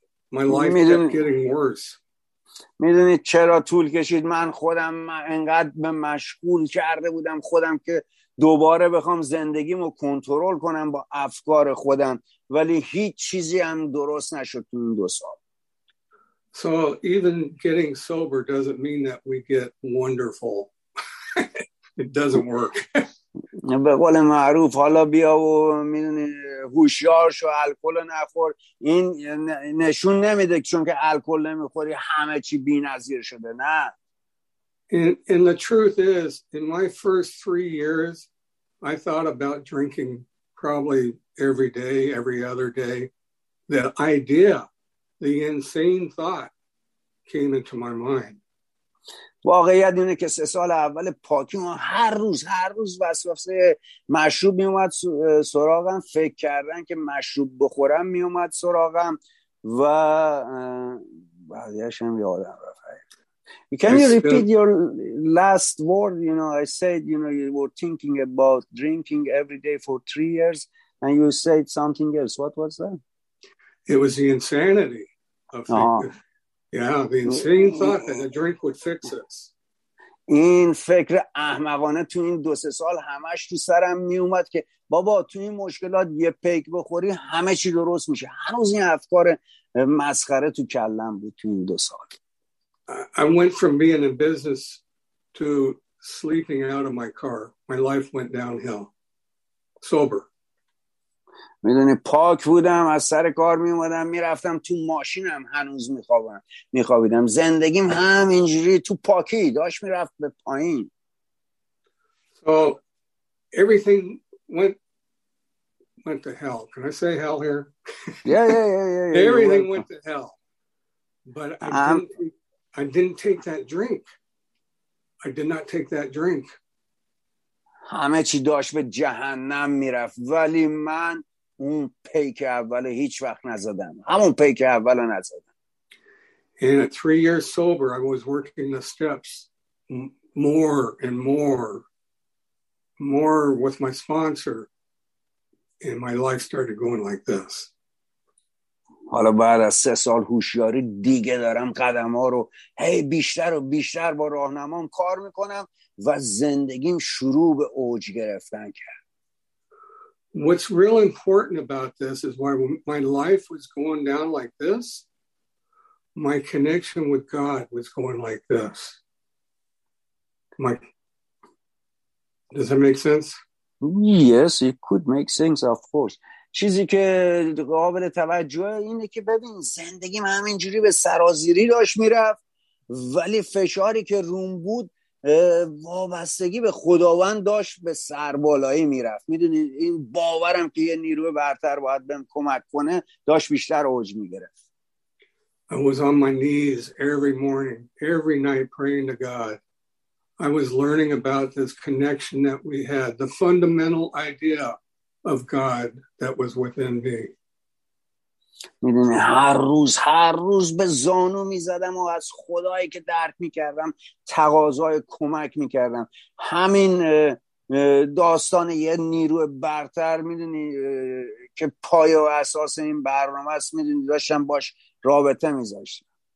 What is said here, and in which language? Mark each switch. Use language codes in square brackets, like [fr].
[en] My life kept getting worse. [fa] میدونی چرا طول کشید؟ من خودم انقدر به مشغول کرده بودم خودم که دوباره بخوام زندگیمو کنترل کنم با افکار خودم، ولی هیچ چیزی هم درست نشد تو این 2 سال. [en] So even getting sober doesn't mean that we get wonderful. It doesn't work. [fa] به قول معروف حالا بیا و میدونی هوشیار شو الکل نخور، این نشون نمیده چون که الکل نمیخوری همه چی بی‌نظیر شده. نه. [en] And the truth is in my first 3 years I thought about drinking probably every day, every other day. That idea, the insane thought came into my mind. [fa] واقعیت اینه که 3 سال اول پاکی هر روز وسواس مشروب می اومد سراغم، فکر کردن که مشروب بخورم می اومد سراغم و بعدش هم یادم رفت. [en] Can you repeat your last word? You know, I said, you know, you were thinking about drinking every day for 3 years and you said something else. What was that? It was the insanity of Yeah, the insane thought that a drink would fix us. [fa] این فکر احمقانه تو این 2-3 سال همش تو سرم می اومد که بابا تو این مشکلات یه پیک بخوری همه چی درست میشه. هنوز این افکار مسخره تو کلم بود تو این 2 سال. [en] I went from being in business to sleeping out of my car. My life went downhill. Sober. [fa] میدونی پاک بودم، از سر کار میومدم میرفتم تو ماشینم هنوز میخوابیدم، زندگیم همینجوری تو پاکی داشت میرفت به پایین. [en] So everything went to hell. Can I say hell here? Yeah. Everything went to hell. But I didn't take that drink. I did not take that drink. [fa] همه چی داشت به جهنم میرفت ولی من اون پیک اول هیچ وقت نزدم، همون پیک اول نزدم. [en] In 3 years sober I was working the steps more and more more with my sponsor and my life started going like this. [fa] حالا بعد از 3 سال هوشیاری دیگه دارم قدم‌ها رو هی بیشتر و بیشتر با راهنمام کار میکنم و زندگیم شروع به اوج گرفتن کرد. [en] What's real important about this is why when my life was going down like this, my connection with God was going like this. Does that make sense? Yes, it could make sense, of course. [fa] چیزی که قابل توجه اینه که ببین زندگیم همینجوری به سرازیری داشت میرفت ولی فشاری که روم بود وابستگی به خداوند داشت به سربالایی میرفت. میدونی این باورم که یه نیروی برتر باید بهم کمک کنه داشت بیشتر اوج میگرفت. [en] I was on my knees every morning, every night praying to God. I was learning about this connection that we had, the fundamental idea of God that was within me. [fa] میدونی هر روز به زانو میزدم و از خدایی که درک میکردم تقاضای کمک میکردم. همین داستان یه نیروی برتر میدونی که پایه و اساس این برنامه است، میدونی داشتم باش رابطه میذاشتم.